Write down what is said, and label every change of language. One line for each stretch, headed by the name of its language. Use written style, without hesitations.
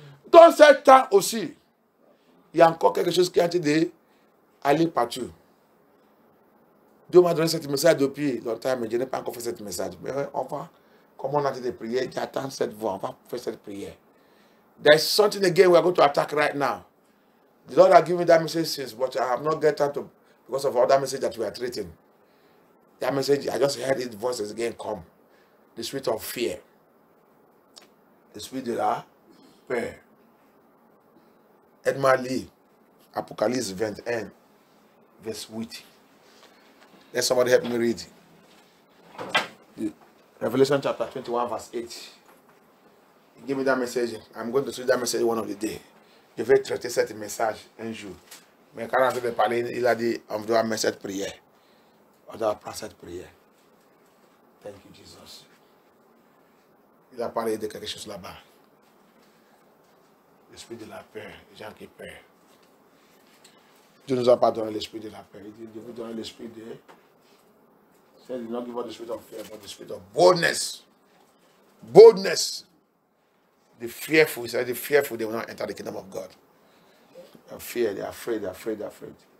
French: Dans ce temps aussi, il y a encore quelque chose qui a été dit. Allez partout. Dieu m'a donné cette message depuis longtemps, mais je n'ai pas encore fait cette message. Mais enfin, comme on a dit de prier, j'attends cette voix, on va faire cette prière.
English: There's something again we are going to attack right now. The Lord has given me that message since, but I have not got time to, because of all that message that we are treating. That message, I just heard it, voices again come. The spirit of fear. The spirit of fear. Edmar Lee, Apocalypse 21, verse 8. Let somebody help me read. Revelation chapter 21, verse 8. Give me that message. I'm going to read that message one of the day.
French: Je vais traiter cette message un jour. Mais quand on a fait de parler, il a dit, on doit mettre cette prière. On doit prendre cette prière.
English: Thank you, Jesus.
French: Il a parlé de quelque chose là-bas. L'esprit de la peur, les gens qui peurent. Dieu ne nous a pas donné l'esprit de la peur. Il dit, Dieu vous donne l'esprit de...
English: He did not give us the spirit of fear, but the spirit of boldness. Boldness. The fearful. He said, the fearful, they will not enter the kingdom of God. They are fear. They are afraid. They are afraid. They are afraid.